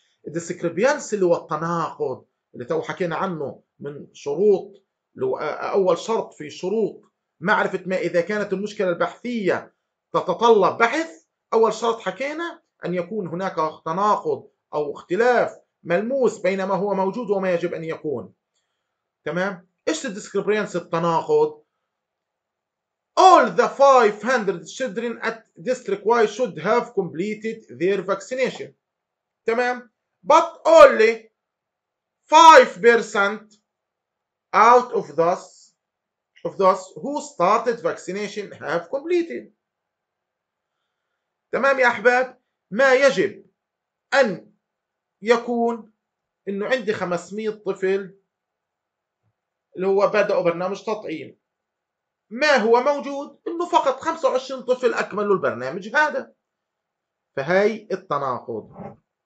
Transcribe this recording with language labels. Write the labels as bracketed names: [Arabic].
[Arabic] الديسكريبيانس اللي هو التناقض اللي تو حكينا عنه، من شروط، أول شرط في شروط معرفة ما إذا كانت المشكلة البحثية تتطلب بحث، أول شرط حكينا أن يكون هناك تناقض أو اختلاف ملموس بين ما هو موجود وما يجب أن يكون، تمام؟ إيش الديسكريبيانس التناقض؟ [English] All the 500 children at district Y should have completed their vaccination. [Arabic] تمام؟ [English] But only 5% out of those who started vaccination have completed. [Arabic] تمام يا أحباب؟ ما يجب أن يكون أنه عندي 500 طفل اللي هو بدأوا برنامج تطعيم. ما هو موجود؟ إنه فقط 25 طفل أكملوا البرنامج هذا، فهي التناقض.